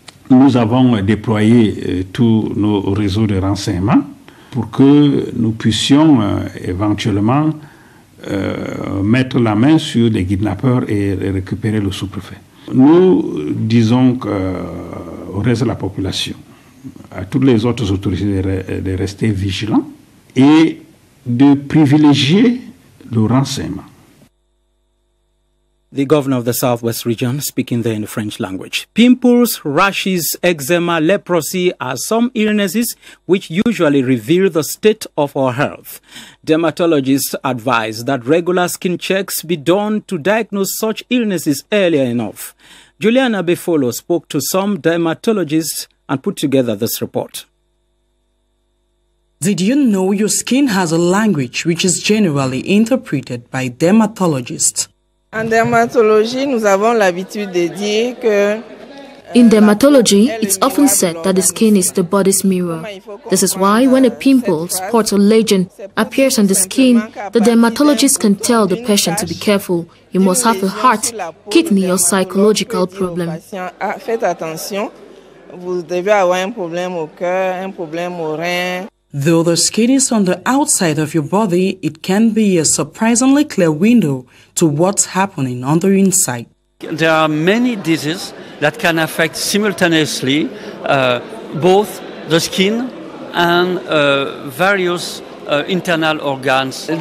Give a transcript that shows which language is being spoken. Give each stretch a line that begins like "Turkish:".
French: Nous avons déployé tous nos réseaux de renseignement pour que nous puissions éventuellement mettre la main sur les kidnappeurs et récupérer le sous-préfet. Nous disons au reste de la population, à toutes les autres autorités de rester vigilants et de privilégier le renseignement.
English: The governor of the Southwest region speaking there in the French language. Pimples, rashes, eczema, leprosy are some illnesses which usually reveal the state of our health. Dermatologists advise that regular skin checks be done to diagnose such illnesses earlier enough. Juliana Befolo spoke to some dermatologists and put together this report. Did you know your skin has a language which is generally interpreted by dermatologists?
French: En dermatologie, nous avons l'habitude de dire que
English: in dermatology, it's often said that the skin is the body's mirror. This is why when a pimple, spot or lesion appears on the skin, the dermatologist can tell the patient to be careful. He must have a heart, kidney or psychological problem.
French: Faites attention, vous devez avoir un problème au cœur, un problème au rein.
English: Though the skin is on the outside of your body, it can be a surprisingly clear window to what's happening on the inside. There are many diseases that can affect simultaneously both the skin and various internal organs.